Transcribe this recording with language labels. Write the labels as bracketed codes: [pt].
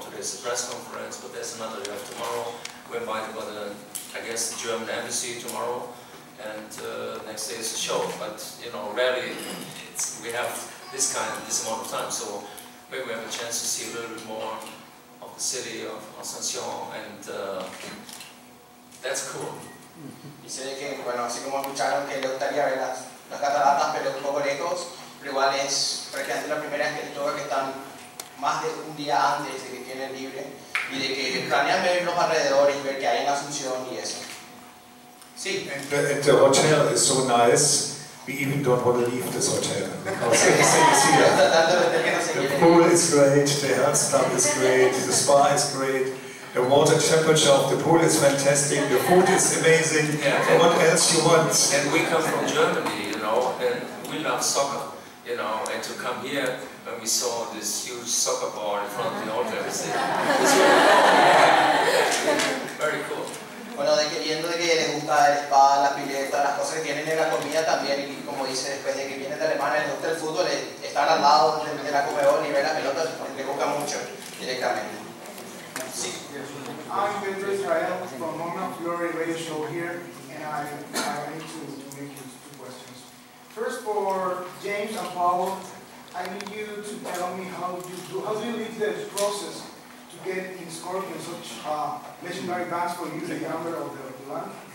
[en] Today's a press conference, but there's another day off tomorrow. We're invited by the, I guess, the German embassy tomorrow, and next day is a show, but you know, rarely we have this amount of time, so maybe we have a chance to see a little bit more of the city of Asunción, and that's cool. [es] Dice que, bueno, así como escucharon, que le gustaría ver las las cataratas, pero un poco lejos, pero igual es prácticamente la primera vez que les toca que están más de un día antes de que tienen libre y de que planean ver los alrededores y ver que hay en Asunción y eso. Sí. [en] The hotel is so nice. We even don't want to leave this hotel because it's here. The pool is great, the health club is great, the spa is great, the water temperature of the pool is fantastic, the food is amazing. Yeah, what else you want? And we come from Germany, you know, and we love soccer, you know, and to come here when we saw this huge soccer ball in front of the hotel, it's really cool. Yeah, very cool. [es] Bueno, de que viendo de que les gusta el spa, la pileta, las cosas que tienen en la comida también, y como dice, después de que vienen de Alemania, les gusta el fútbol, estar al lado de la comedor y ver la pelota, les gusta mucho directamente. Sí. [en] I'm going to Israel from Mona Flori Radio Show here, and I need to make you two questions. First, for James and Paulo, I need you to tell me how do you lead this process to get in Scorpion, such legendary bands for you, the younger of the band.